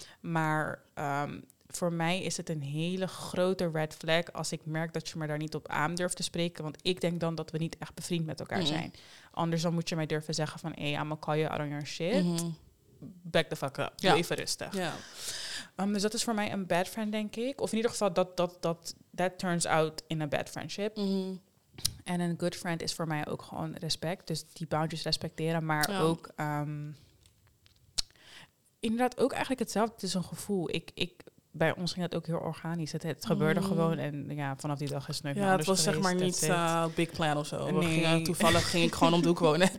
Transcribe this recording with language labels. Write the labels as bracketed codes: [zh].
[nl] Maar voor mij is het een hele grote red flag als ik merk dat je me daar niet op aan durft te spreken. Want ik denk dan dat we niet echt bevriend met elkaar zijn. Anders dan moet je mij durven zeggen van, hey, [en] I'm gonna call you out on your shit. Back the fuck up. [nl] Ja. Even rustig. Ja. Dus dat is voor mij een [en] bad friend, [nl] denk ik. Of in ieder geval, [en] that turns out in a bad friendship. [nl] En een [en] good friend [nl] is voor mij ook gewoon respect. Dus die boundaries respecteren, maar ook... inderdaad, ook eigenlijk hetzelfde. Het is een gevoel. Bij ons ging dat ook heel organisch. Het gebeurde gewoon en ja, vanaf die dag is het nooit meer anders. Ja, het was zeg maar niet [en] big plan [nl] of zo. Nee. Toevallig ging ik gewoon om de hoek wonen.